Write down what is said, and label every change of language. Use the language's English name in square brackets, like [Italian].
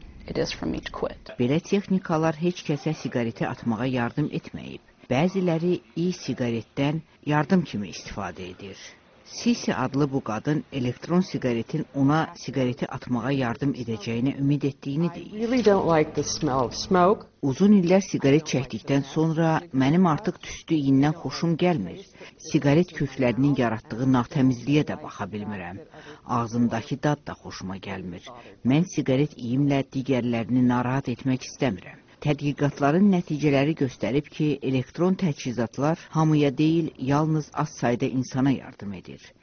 [Azerbaijani] It is from each quit. Belə texnikalar heç kəsə siqareti atmağa yardım etməyib. Bəziləri e-siqaretdən yardım kimi istifadə edir. Sisi adlı bu qadın elektron siqaretin ona siqareti atmağa yardım edəcəyinə ümid etdiyini deyir. [English] I really don't like the smell of smoke. [Azerbaijani] Uzun illər siqaret çəkdikdən sonra mənim artıq tüstü iyindən xoşum gəlmir. Siqaret köklərinin yaratdığı natəmizliyə də baxa bilmirəm. Ağzımdakı dad da xoşuma gəlmir. Mən siqaret iyimlə digərlərini narahat etmək istəmirəm. Tədqiqatların nəticələri göstərib ki, elektron təchizatlar hamıya deyil, yalnız az sayda insana yardım edir.